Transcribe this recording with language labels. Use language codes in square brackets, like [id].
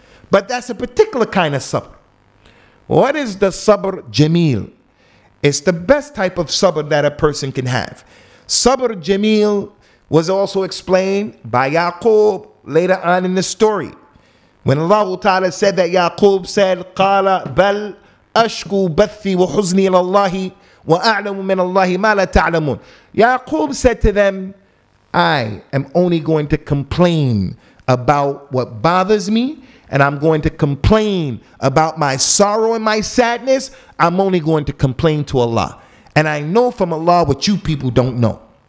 [en] But that's a particular kind of sabr. What is the sabr jameel? It's the best type of sabr that a person can have. Sabr jameel was also explained by Yaqub later on in the story. When Allah Ta'ala said that Yaqub said, [ar] قَالَ بَلْ أَشْكُوا بَثِّي وَحُزْنِي لَاللَّهِ وَأَعْلَمُ مِنَ اللَّهِ مَا لَا تَعْلَمُونَ. [en] Yaqub said to them, I am only going to complain about what bothers me, and I'm going to complain about my sorrow and my sadness. I'm only going to complain to Allah. And I know from Allah what you people don't know.